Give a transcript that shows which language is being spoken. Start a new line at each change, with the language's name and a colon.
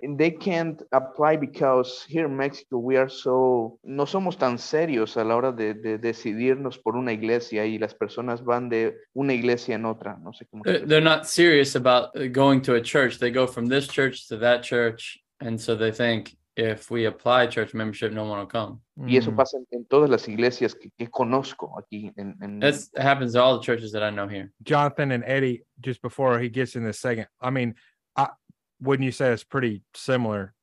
English: And they can't apply because here in Mexico we are so,
Spanish: no somos tan serios a la hora de decidirnos por una iglesia, y las personas van de una iglesia en otra. No sé cómo.
English: They're not serious about going to a church. They go from this church to that church, and so they think, if we apply church membership, no one will come.
Spanish: Y eso pasa en todas las iglesias que conozco aquí.
English: It happens to all the churches that I know here. Jonathan and Eddie, just before he gets in the second, I mean, wouldn't you say it's pretty similar?